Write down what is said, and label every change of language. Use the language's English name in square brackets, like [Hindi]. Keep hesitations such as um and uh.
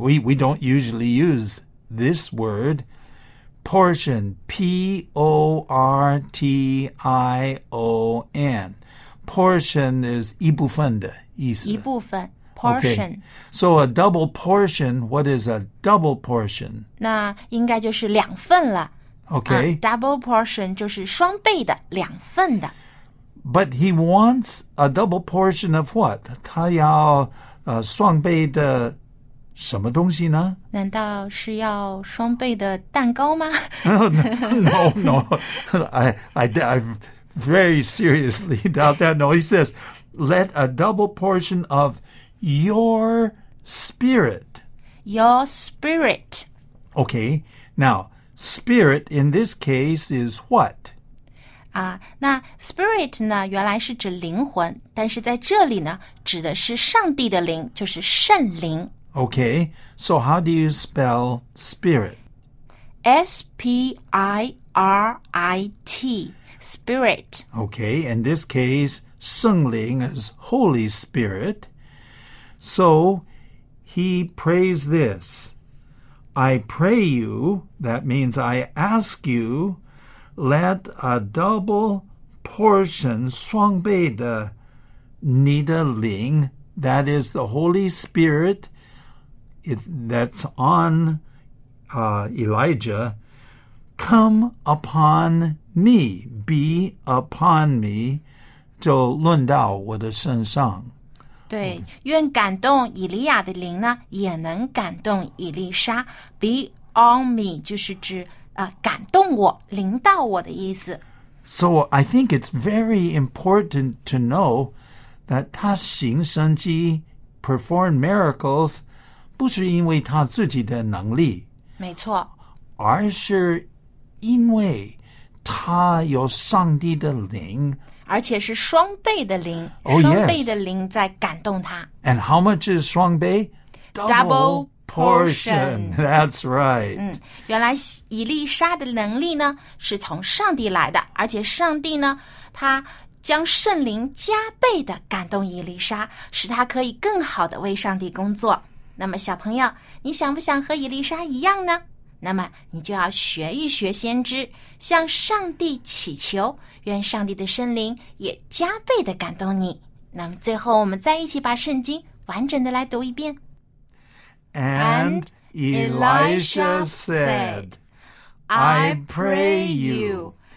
[English] We, we don't usually use this word portion p o r t i o n portion is [Chinese] 一部分的意思一部分 okay. [English] so a double portion what is a double portion [Chinese] 那应该就是两份了 okay uh, double portion 就是双倍的两份的 [English] but he wants a double portion of what [Chinese] 他要双倍的 uh, 什么东西呢？难道是要双倍的蛋糕吗？ [English] No, no, no, I, I, I very seriously doubt that. No, he says, let a double portion of your spirit. Your spirit. Okay, now spirit in this case is what? [Chinese] 啊，uh, 那 spirit 呢，原来是指灵魂，但是在这里呢，指的是上帝的灵，就是圣灵。 [English] Okay, so how do you spell spirit? S P I R I T. Spirit. Okay, in this case, Sung Ling is Holy Spirit. So he prays this I pray you, that means I ask you, let a double portion, Shuang Bei, the Nida Ling, that is the Holy Spirit, it, that's on uh, Elijah, come upon me, be upon me, [Chinese] 就论到我的身上。对，愿感动以利亚的灵呢，也能感动以利沙。 [English] Be on me [Chinese] 就是指啊、呃，感动我，临到我的意思。 [English] So uh, I think it's very important to know that [Chinese] 他行神迹， [English] perform miracles。 [Chinese] 不是因为他自己的能力，没错，而是因为他有上帝的灵，而且是双倍的灵，oh, 双、yes. 倍的灵在感动他。 [English] And how much is 双倍？Double, Double portion. portion. That's right. [Chinese] 嗯，原来伊丽沙的能力呢是从上帝来的，而且上帝呢，他将圣灵加倍的感动伊丽沙，使她可以更好的为上帝工作。那么，小朋友，你想不想和伊丽莎一样呢？那么，你就要学一学先知，向上帝祈求，愿上帝的圣灵也加倍的感动你。那么，最后我们再一起把圣经完整的来读一遍。 [English] And Elisha said, "I pray you."